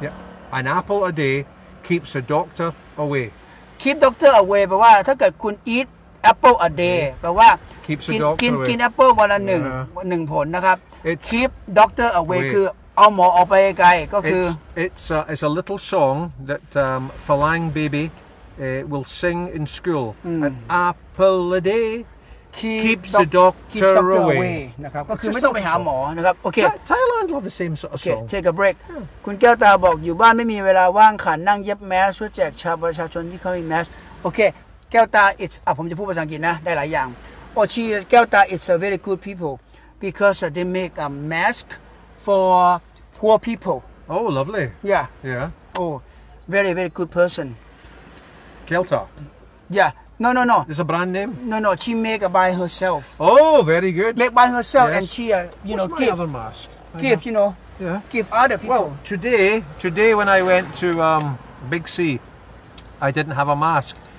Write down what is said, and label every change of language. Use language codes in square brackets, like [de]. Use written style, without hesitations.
[en] yeah an apple a day keeps a doctor away keep doctor away [th] แปลว่าถ้าเกิดคุณ [en] eat apple a day [th] แปลว่ากินแอปเปิลวันละหนึ่งผลนะครับ keep doctor away คือเอาหมอออกไปไกลก็คือ [en] it's a little song that Falang baby will sing in school an apple a day keeps the doctor away [th] นะครับก็คือไม่ต้องไปหาหมอนะครับโอเค [en] Thailand love the same sort of song take a break [th] คุณแก้วตาบอกอยู่บ้านไม่มีเวลาว่างขันนั่งเย็บแมสช่วยแจกชาวประชาชนที่เขาไม่มีแมสโอเคแก้วตา it's ผมจะพูดภาษาอังกฤษนะได้หลายอย่างโอชีแก้วตา [en] it's a very good people because they make a maskFor poor people. Oh, lovely. Yeah. Yeah. Oh, very, very good person. Kelta. Yeah. No. It's a brand name? No. She make it by herself. Oh, very good. Make by herself yes. And she, What's my other mask? Give, you know. Yeah. Give other people. Well, today when I went to Big C, I didn't have a mask.